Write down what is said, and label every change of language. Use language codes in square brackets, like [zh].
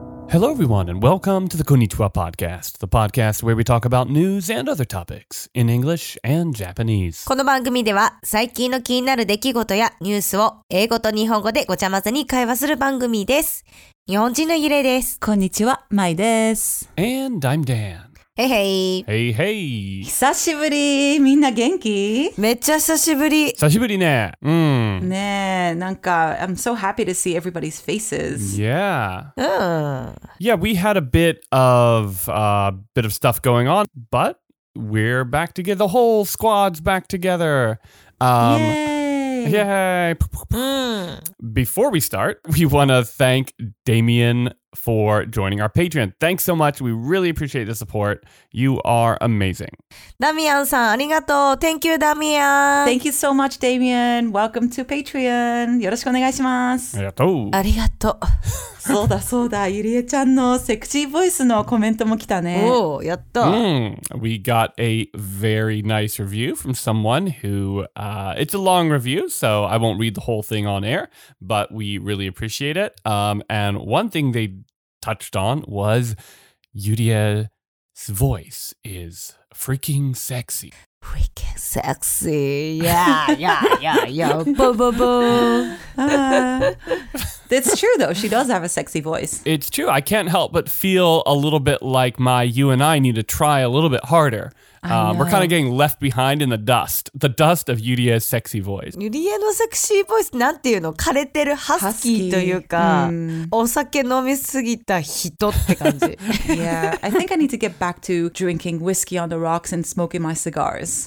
[en] Hello, everyone, and welcome to the Konnichiwa Podcast, the podcast where we talk about news and other topics in English and Japanese. [ja] この番組では最近の気になる出来事やニュースを英語と日本語でごちゃ混ぜに会話する番組です。日本人のゆれです。こんにちは、まいです。 [en] And I'm Dan. Hey, hey. Hey, hey. [ja] 久しぶり。みんな元気？めっちゃ久しぶり。久しぶりね。うん。ねえ、なんか、 [en] I'm so happy to see everybody's faces. Yeah. Oh. Yeah, we had a bit of stuff going on, but we're back together. The whole squad's back together. Yay. Before we start, we want to thank Damien. For joining our Patreon. Thanks so much. We really appreciate the support. You are amazing. Damian [ja] さん、ありがとう。 [en] Thank you, Damian. Thank you so much, Damian. Welcome to Patreon. [ja] よろしくお願いします。ありがとう。ありがとう。そうだそうだ。ゆりえちゃんのセクシーボイスのコメントも来たね。おー、やっと。 [en] We got a very nice review from someone who, it's a long review, so I won't read the whole thing on air, but we really appreciate it. And one thing theytouched on was Yurie's voice is freaking sexy. Freaking sexy. Yeah. Boom, boom, boom. It's true, though. She does have a sexy voice. It's true. I can't help but feel a little bit like my you and I need to try a little bit harder. We're kind of getting left behind in the dust. The dust of Yurie's sexy voice. [ja] Yurie の [en] sexy voice, [ja] なんていうの? 枯れてるハスキーというか、お酒飲みすぎた人って感じ。 [en] Yeah, I think I need to get back to drinking whiskey on the rocks and smoking my cigars.